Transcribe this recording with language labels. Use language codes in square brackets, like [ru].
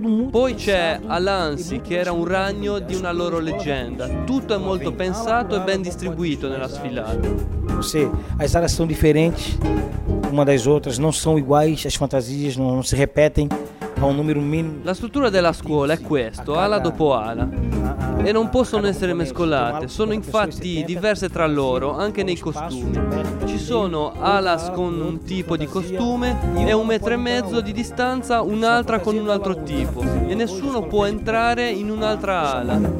[it] Poi c'è Alansi, che era un ragno di una loro leggenda. Tutto è molto pensato e ben distribuito nella sfilata. [pt] Você, as áreas são diferentes uma das outras, não são iguais, as fantasias não se repetem. [it] La struttura della scuola è questo, ala dopo ala, e non possono essere mescolate, sono infatti diverse tra loro, anche nei costumi. Ci sono alas con un tipo di costume e un metro e mezzo di distanza un'altra con un altro tipo, e nessuno può entrare in un'altra ala.